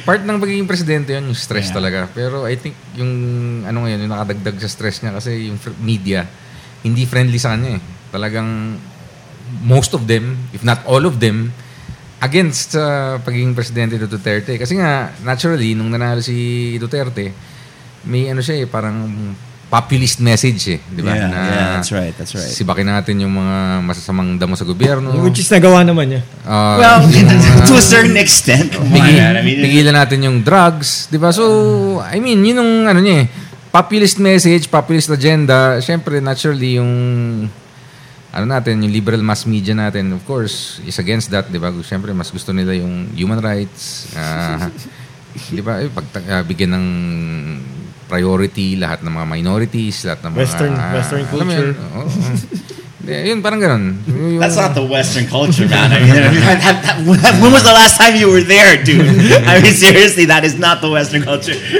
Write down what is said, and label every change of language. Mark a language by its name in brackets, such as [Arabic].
[Filipino] Part ng pagiging presidente yun, yung stress talaga. Pero I think yung ano ngayon, yung nakadagdag sa stress niya kasi yung media, hindi friendly sa kanya eh. Talagang... [English] most of them, if not all of them, [Filipino] against sa pagiging presidente ni Duterte. Kasi nga, naturally, nung nanalo si Duterte, may ano siya eh, parang populist message eh. Di ba? [English] Yeah, na, yeah, that's right, that's right. [Filipino] Sibakin natin yung mga masasamang damo sa gobyerno. [English] Which is [Filipino] nagawa naman niya. [English] To a certain extent. [Filipino] Pigilan natin yung drugs. Di ba? So, I mean, yun yung ano niya eh, populist message, populist agenda, syempre, naturally, yung ano natin, yung liberal mass media natin, of course, [English] is against that, [Filipino] di ba? Syempre, mas gusto nila yung human rights, di ba? Bigyan ng priority lahat ng mga minorities, lahat ng mga... Western culture. Ano yun? Yun, parang ganun. [English] That's not the Western culture, man. I mean, when was the last time you were there, dude? I mean, seriously, that is not the Western culture.